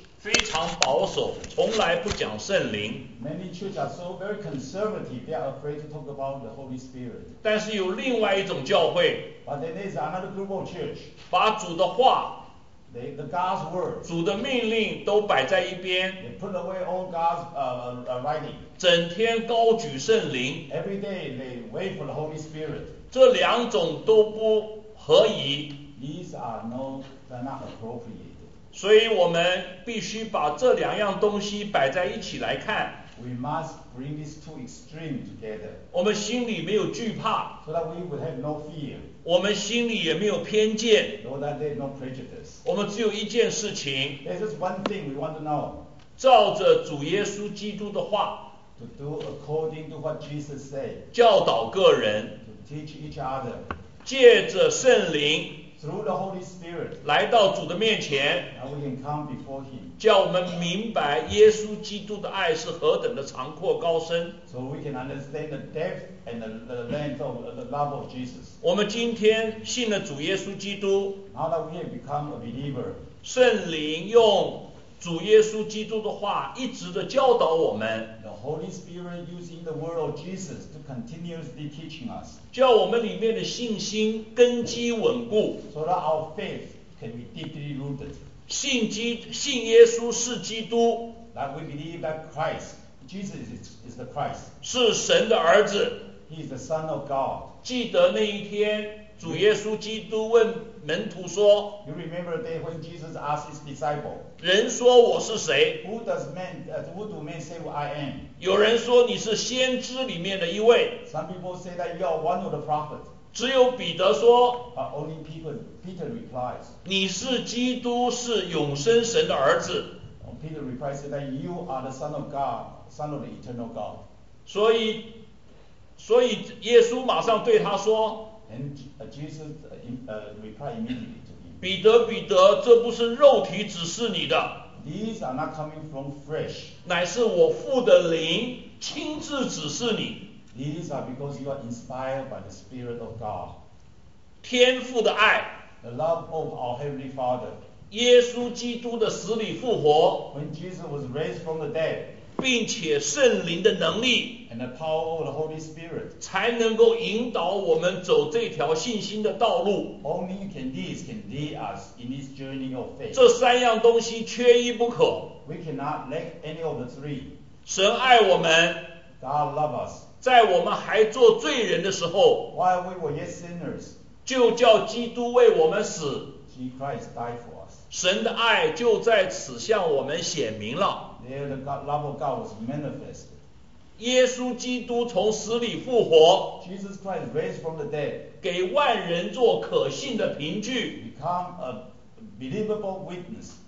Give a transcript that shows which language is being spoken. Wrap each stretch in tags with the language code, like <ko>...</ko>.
<zh>非常保守，从来不讲圣灵。</zh> <en>Many churches are so very conservative, they are afraid to talk about the Holy Spirit.</en> <zh>但是有另外一种教会。</zh> <en>But there is another group of church.</en> <zh>把主的话。</zh> <en>The God's word.</en> <zh>主的命令都摆在一边。</zh> <en>They put away all God's writing.</en> <zh>整天高举圣灵。</zh> <en>Every day they wait for the Holy Spirit.</en> <zh>这两种都不合宜。</zh> <en>These are not appropriate.</en> <zh>所以我们必须把这两样东西摆在一起来看。</zh> <en>We must bring these two extremes together.</en> <zh>我们心里没有惧怕。</zh> <en>So that we would have no fear.</en> <zh>我们心里也没有偏见。</zh> <en>So that there is no prejudice.</en> <zh>我们只有一件事情。</zh> <en>There's just one thing we want to know.</en> <zh>照着主耶稣基督的话。</zh> <en>To do according to what Jesus said.</en> <zh>教导个人。</zh> <en>To teach each other.</en> <zh>借着圣灵。</zh> <en>Through the Holy Spirit,</en> <zh>来到主的面前</zh> <en>and we can come before him,</en> <zh>叫我们明白耶稣基督的爱是何等的长阔高深</zh> <en>so we can understand the depth and the length of the love of Jesus.</en> <zh>我们今天信了主耶稣基督</zh> <en>now that we have become a believer,</en> <zh>圣灵用主耶稣基督的话一直的教导我们</zh> <en>the Holy Spirit using the word of Jesus to continuously teaching us,</en> <zh>叫我们里面的信心根基稳固</zh> <en>so that our faith can be deeply rooted,</en> <zh>信耶稣是基督</zh> <en>that we believe that Christ, Jesus is the Christ,</en> <zh>是神的儿子</zh> <en>he is the Son of God,</en> <zh>记得那一天主耶稣基督问门徒说</zh> <en>You remember the day when Jesus asked his disciple</en> <zh>人说我是谁</zh> <en>who do men say who I am</en> <zh>有人说你是先知里面的一位</zh> <en>Some people say that you are one of the prophets</en> <zh>只有彼得说</zh> <en>But only Peter replies</en> <zh>你是基督是永生神的儿子</zh> <en>Peter replies that you are the son of God son of the eternal God</en> <zh>所以耶稣马上对他说</zh> <en>And Jesus replied immediately to him.</en> <zh>彼得，彼得，这不是肉体指示你的。</zh> <en>These are not coming from flesh.</en> <zh>乃是我父的灵亲自指示你。</zh> <en>These are because you are inspired by the Spirit of God.</en> <zh>天父的爱。</zh> <en>The love of our Heavenly Father.</en> <zh>耶稣基督的死里复活。</zh> <en>When Jesus was raised from the dead.</en> <zh>并且圣灵的能力。</zh> <en>And the power of the Holy Spirit.</en> <zh>才能够引导我们走这条信心的道路。</zh> <en>Only these can lead us in this journey of faith.</en> <zh>这三样东西缺一不可。</zh> <en>We cannot lack any of the three.</en> <zh>神爱我们。</zh> <en>God love us.</en> <zh>在我们还做罪人的时候。</zh> <en>While we were yet sinners.</en> <zh>就叫基督为我们死。</zh> <en>Jesus Christ died for us.</en> <zh>神的爱就在此向我们显明了。</zh> <en>There the love of God was manifested.</en> <zh>耶稣基督从死里复活</zh> <en>Jesus Christ raised from the dead,</en> <zh>给万人做可信的凭据</zh> <en>become a believable witness.</en>